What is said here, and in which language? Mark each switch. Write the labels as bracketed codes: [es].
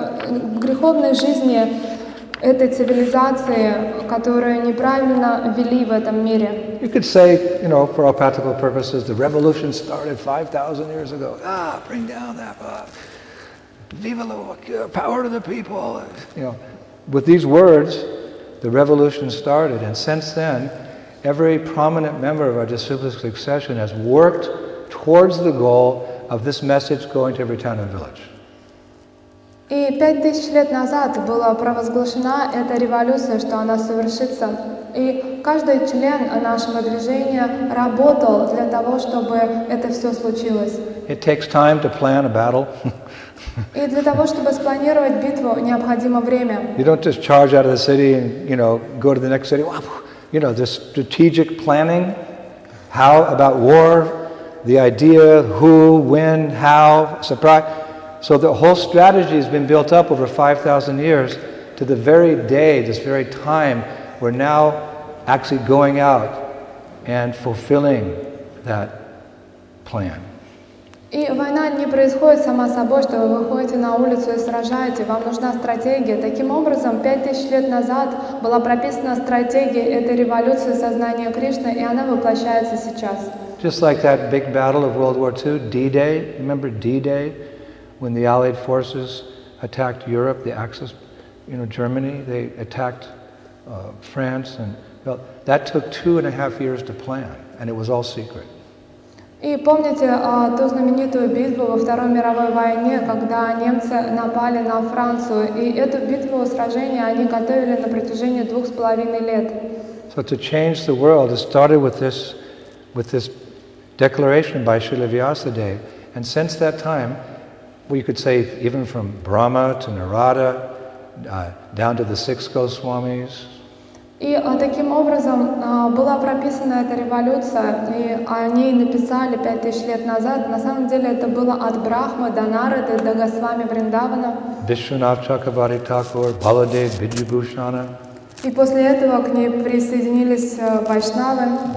[ru] В греховной жизни этой цивилизации, которую неправильно вели в этом мире. [en] You could say, you know, for all practical purposes, the revolution started 5,000 years ago. Ah, bring down that book. Viva la power to the people. You know, with these words, the revolution started, and since then, every prominent member of our disciplic succession has worked towards the goal of this message going to every town and village. [ru] И 5000 лет назад была провозглашена эта революция, что она совершится. И каждый член нашего движения работал для того, чтобы это все случилось. [en] It takes time to plan a battle. [ru] И для того, чтобы спланировать битву, необходимо время. [en] You don't just charge out of the city and, you know, go to the next city. You know, the strategic planning, how about war, the idea, who, when, how, surprise. So the whole strategy has been built up over 5,000 years to the very day, this very time, we're now actually going out and fulfilling that plan. [ru] И война не происходит сама собой, что вы выходите на улицу и сражаете. Вам нужна стратегия. Таким образом, 5000 лет назад была прописана стратегия этой революции сознания Кришны, и она воплощается сейчас. [en] Just like that big battle of World War II, D-Day. Remember D-Day, when the Allied forces attacked Europe, the Axis, you know, Germany, they attacked France, and well, that took 2.5 years to plan, and it was all secret. [ru] И помните ту знаменитую битву во Второй мировой войне, когда немцы напали на Францию, и эту битву, сражение, они готовили на протяжении 2.5 лет. [en] So to change the world, it started with this declaration by Srila Vyasadeva, and since that time, well, you could say even from Brahma to Narada, down to the six Goswamis. [ru] И таким образом была прописана эта революция, и о ней написали 5000 лет назад. На самом деле это было от Брахмы до Нарады до Госвами Вриндавана. Вишванатх Чакравати Тхакур, Баладев, Биджубхушана. И после этого к ней присоединились Вайшнавы.